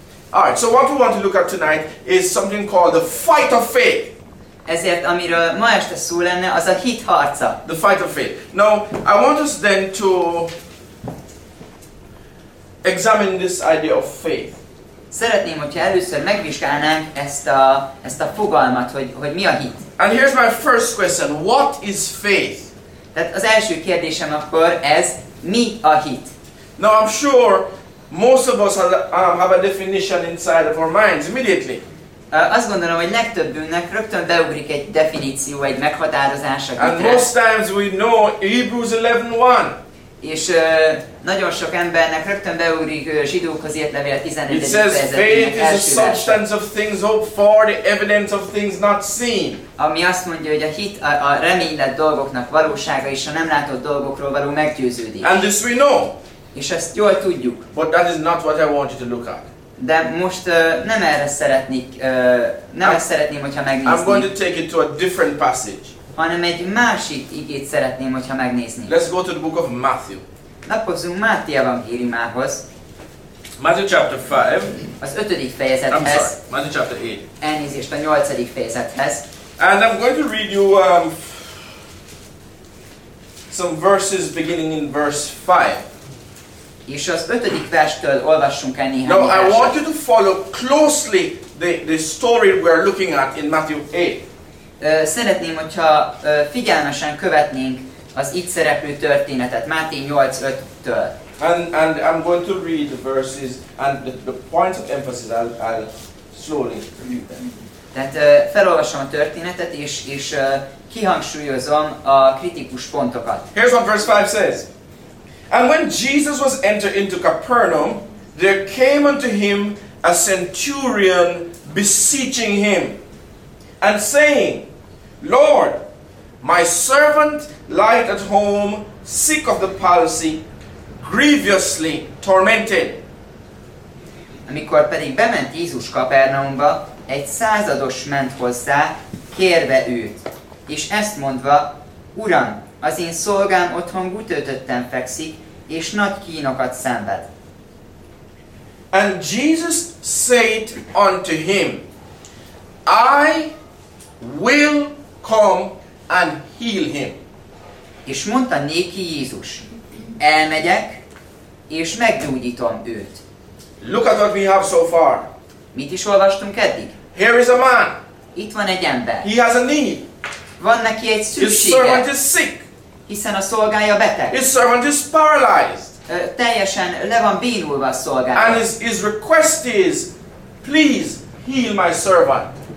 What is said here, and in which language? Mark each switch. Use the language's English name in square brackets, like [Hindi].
[English] Alright, so what we want to look at tonight is something called the fight of faith. [Hungarian] Ezért, amiről ma este szó lenne, az a hit harca. [English] The fight of faith. Now, I want us then to examine this idea of faith. [Hungarian] Szeretném, hogyha először megvizsgálnánk ezt a fogalmat, hogy mi a hit. [English] And here's my first question. What is faith? [Hungarian] Tehát az első kérdésem akkor ez, mi a hit? [English] Now, I'm sure most of us have a definition inside of our minds immediately. [Hungarian] Azt gondolom, hogy legtöbbünknek rögtön beugrik egy definíció, egy meghatározás a hitre. [English] And most times we know Hebrews 11:1. [Hungarian] És nagyon sok embernek rögtön beugrik Zsidókhoz írt levél 11. [English] It says faith is a substance of things hoped for, the evidence of things not seen. [Hungarian] Ami azt mondja, hogy a hit a reménylet dolgoknak valósága és a nem látott dolgokról való meggyőződés. [English] And this we know. [Hungarian] És ezt jól tudjuk. [English] But that is not what I want you to look at. [Hungarian] De most nem erre szeretnék, nem ezt szeretném, hogyha megnézni. [English] I'm going to take it to a different passage. [Hungarian] Hanem egy másik igét szeretném, hogyha megnézni. [English] Let's go to the book of Matthew. [Hungarian] Lapozzunk Máté evangéliumához. [English] Matthew chapter 5. [Hungarian] Az ötödik fejezethez. [English] I'm sorry, Matthew chapter 8. [Hungarian] Elnézést, a nyolcadik fejezethez. [English] And I'm going to read you some verses beginning in verse 5. [Hungarian] És az ötödik verstől olvassunk el néhány. [English] Now I want you to follow closely the story we are looking at in Matthew 8. [Hungarian] Szeretném, hogyha figyelmesen követnénk az itt szereplő történetet Máté 8:5-től. [English] And I'm going to read the verses and the points of emphasis I'll slowly read them. [Hungarian] Tehát felolvasom a történetet és kihangsúlyozom a kritikus pontokat. [English] Here's what verse 5 says. And when Jesus was entered into Capernaum, there came unto him a centurion beseeching him, and saying, Lord, my servant lieth at home, sick of the palsy, grievously tormented. [Hungarian] Amikor pedig bement Jézus Kapernaumba, egy százados ment hozzá, kérve őt, és ezt mondva, Uram, az én szolgám otthon gutöltötten fekszik, és nagy kínokat szenved. [English] And Jesus said unto him, I will come and heal him. [Hungarian] És mondta néki Jézus, elmegyek, és meggyógyítom őt. [English] Look at what we have so far. [Hungarian] Mit is olvastunk eddig? [English] Here is a man. [Hungarian] Itt van egy ember. [English] He has a need. [Hungarian] Van neki egy szüksége. [English] His servant is sick. [Hungarian] Hiszen a szolgája beteg. [English] His servant is paralyzed. [Hungarian] Teljesen le van bénulva a szolgája. [English] And his request is, please heal my servant.